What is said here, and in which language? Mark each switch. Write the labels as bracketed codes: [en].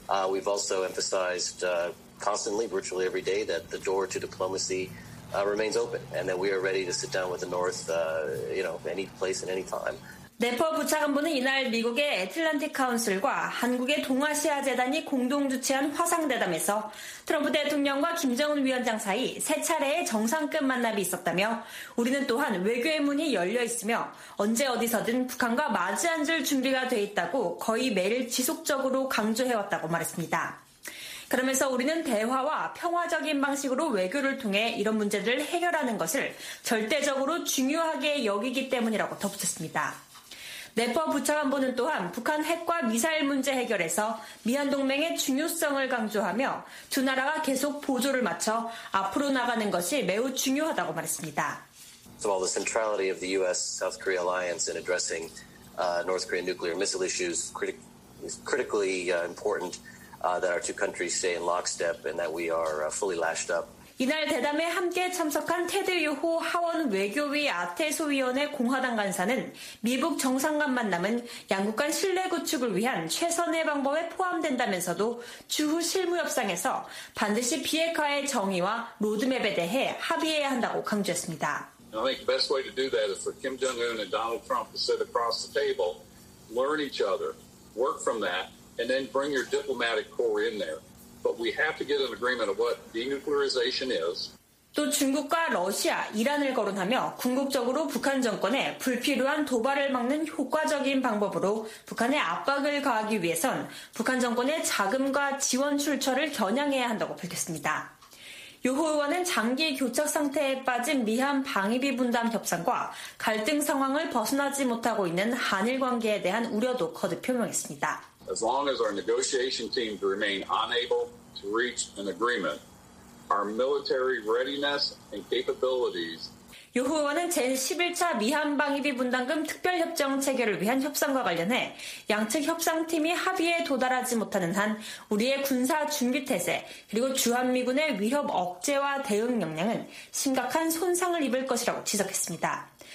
[en] We've also emphasized constantly, virtually every day, that the door to diplomacy remains open and that we are ready to sit down with the North, any place and any time. [ko] 네퍼 부차관보는 이날 미국의 애틀란틱 카운슬과 한국의 동아시아 재단이 공동 주최한 화상 대담에서 트럼프 대통령과 김정은 위원장 사이 세 차례의 정상급 만남이 있었다며 우리는 또한 외교의 문이 열려 있으며 언제 어디서든 북한과 마주앉을 준비가 돼 있다고 거의 매일 지속적으로 강조해왔다고 말했습니다. 그러면서 우리는 대화와 평화적인 방식으로 외교를 통해 이런 문제들을 해결하는 것을 절대적으로 중요하게 여기기 때문이라고 덧붙였습니다. 네퍼 부차관보는 또한 북한 핵과 미사일 문제 해결에서 미한동맹의 중요성을 강조하며 두 나라가 계속 보조를 맞춰 앞으로 나가는 것이 매우 중요하다고 말했습니다. [en] So while the centrality of the U.S.-South Korea alliance in addressing North Korean nuclear missile issues is critically important that our two countries stay in lockstep and that we are fully lashed up. [ko] 이날 대담에 함께 참석한 테드 유호 하원 외교위 아태소 위원회 공화당 간사는 미북 정상 간 만남은 양국 간 신뢰 구축을 위한 최선의 방법에 포함된다면서도 주후 실무 협상에서 반드시 비핵화의 정의와 로드맵에 대해 합의해야 한다고 강조했습니다. [en] I think the best way to do that is for Kim Jong-un and Donald Trump to sit across the table, learn each other, work from that, and then bring your diplomatic core in there. But we have to get an agreement of what denuclearization is. [ko] 또 중국과 러시아, 이란을 거론하며 궁극적으로 북한 정권에 불필요한 도발을 막는 효과적인 방법으로 북한에 압박을 가하기 위해선 북한 정권의 자금과 지원 출처를 겨냥해야 한다고 밝혔습니다. 유호 의원은 장기 교착 상태에 빠진 미한 방위비 분담 협상과 갈등 상황을 벗어나지 못하고 있는 한일 관계에 대한 우려도 거듭 표명했습니다. [en] As long as our negotiation teams remain unable to reach an agreement, our military readiness and capabilities. [ko] 유호 의원은 제11차 미한 방위비 분담금 특별협정 체결을 위한 협상과 관련해 양측 협상팀이 합의에 도달하지 못하는 한 우리의 군사 준비태세 그리고 주한미군의 위협 억제와 대응 역량은 심각한 손상을 입을 것이라고 지적했습니다.